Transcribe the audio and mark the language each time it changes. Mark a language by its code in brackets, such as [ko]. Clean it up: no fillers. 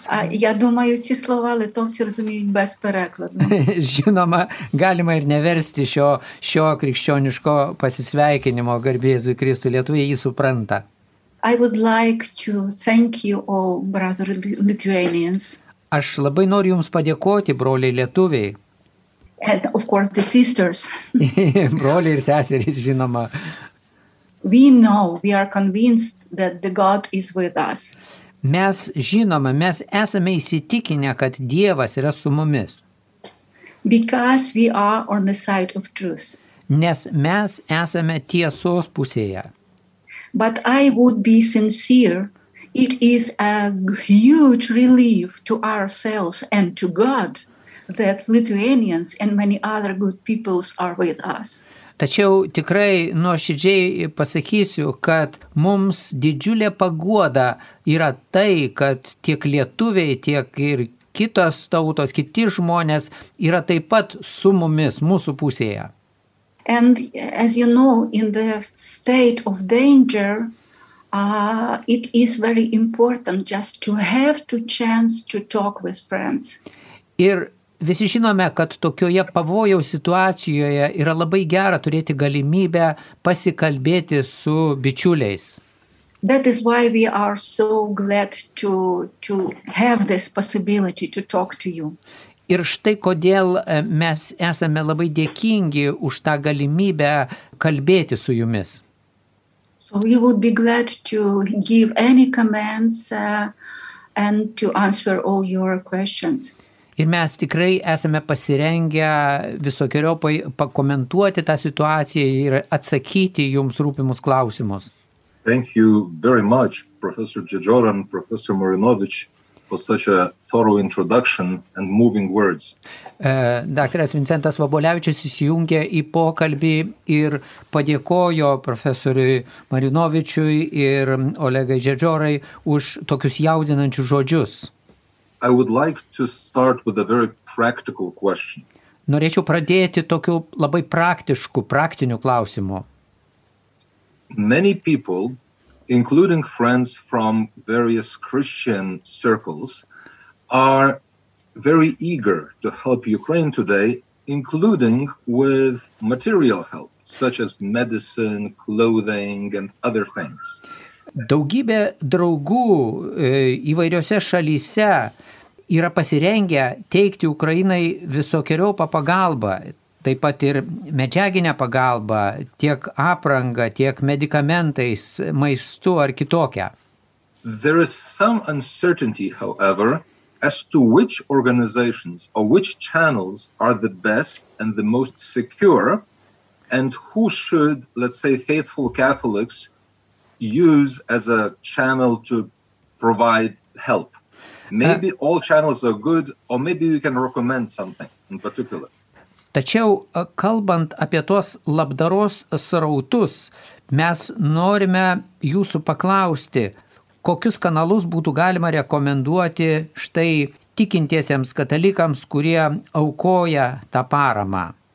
[uk] Я думаю, ці слова литовці розуміють без перекладу. [lt] Žinoma, galima ir neversti šio krikščioniško pasisveikinimo garbė Jėzui Kristui, lietuviai jį supranta. [en] I would like to thank you all, brother Lithuanians. [lt] Aš labai noriu jums padėkoti, broliai lietuviai. [en] And of course the sisters. [lt] Broliai ir seserys, žinoma. [en] We know, we are convinced that the God is with us. [lt] Mes žinome, mes esame įsitikinę, kad Dievas yra su mumis. [en] Because we are on the side of truth. [lt] Nes mes esame tiesos pusėje. [en] But I would be sincere. It is a huge relief to ourselves and to God that Lithuanians and many other good peoples are with us. [lt] Tačiau tikrai nuoširdžiai pasakysiu, kad mums didžiulė paguoda yra tai, kad tiek lietuviai, tiek ir kitos tautos, kiti žmonės yra taip pat su mumis, mūsų pusėje. [en] And as you know, in the state of danger, it is very important just to have to chance to talk with friends. [lt] Ir visi žinome, kad tokioje pavojaus situacijoje yra labai gera turėti galimybę pasikalbėti su bičiuliais. [en] That is why we are so glad to have this possibility to talk to you. [lt] Ir štai kodėl mes esame labai dėkingi už tą galimybę kalbėti su jumis. [en] So we would be glad to give any comments and to answer all your questions. [lt] Ir mes tikrai esame pasirengę visokiojopai pakomentuoti tą situaciją ir atsakyti jums rūpimus klausimus. [en] Thank you very much, Professor Jajoran, Professor Marinovich, for such a thorough introduction and moving words. [lt] Daktaras Vincentas Vabolevičius įsijungė į pokalbį ir padėkojo profesoriui Marinovičiui ir Olegai Jajorai už tokius jaudinančius žodžius. [en] I would like to start with a very practical question. [lt] Norėčiau pradėti tokiu labai praktišku, praktiniu klausimu. [en] Many people, including friends from various Christian circles, are very eager to help Ukraine today, including with material help, such as medicine, clothing, and other things. [lt] Daugybė draugų įvairiose šalyse yra pasirengę teikti Ukrainai visokeriopą pagalbą, taip pat ir medžiaginę pagalbą, tiek aprangą, tiek medikamentais, maistu ar kitokią. [en] There is some uncertainty, however, as to which organizations or which channels are the best and the most secure, and who should, let's say, faithful Catholics use as a channel to provide help. Maybe all channels are good, or maybe you can recommend something in particular. [lt] Tačiau, kalbant apie tuos labdaros srautus, mes norime jūsų paklausti, kokius kanalus būtų galima rekomenduoti štai tikintiesiems katalikams, kurie aukoja tą paramą.